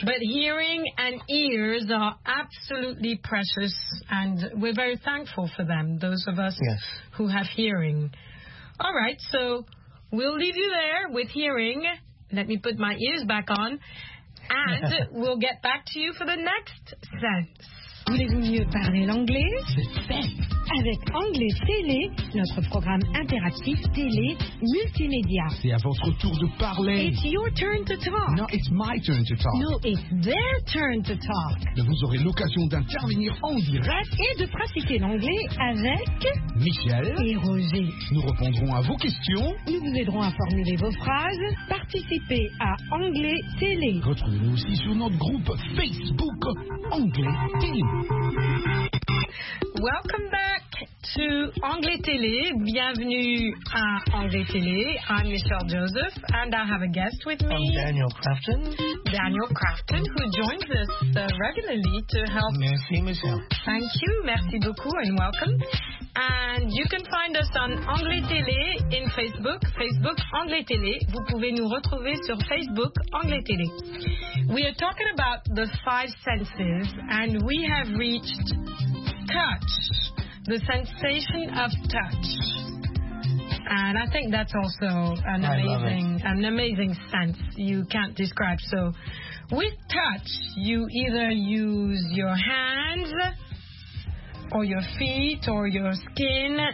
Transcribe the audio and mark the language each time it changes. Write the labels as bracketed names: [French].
[English] But hearing and ears are absolutely precious, and we're very thankful for them, those of us yes. who have hearing. All right, so we'll leave you there with hearing. Let me put my ears back on, and we'll get back to you for the next sense. [French] Voulez-vous mieux parler l'anglais? Avec Anglais Télé, notre programme interactif télé multimédia. C'est à votre tour de parler. [English] It's your turn to talk. No, it's my turn to talk. No, it's their turn to talk. [French] Et vous aurez l'occasion d'intervenir en direct et de pratiquer l'anglais avec Michel et Roger. Nous répondrons à vos questions. Nous vous aiderons à formuler vos phrases. Participez à Anglais Télé. Retrouvez-nous aussi sur notre groupe Facebook Anglais Télé. [English] Welcome back to Anglais Télé. [French] Bienvenue à Anglais Télé. [English] I'm Michelle Joseph, and I have a guest with me. I'm Daniel Crafton. Daniel Crafton, who joins us regularly to help. [French] Merci, Michelle. [English] Thank you. [French] Merci beaucoup, [English] and welcome. And you can find us on Anglais Télé in Facebook. Facebook Anglais Télé. [French] Vous pouvez nous retrouver sur Facebook Anglais Télé. [English] We are talking about the five senses, and we have reached touch, the sensation of touch. And I think that's also an amazing sense you can't describe. So with touch, you either use your hands or your feet or your skin.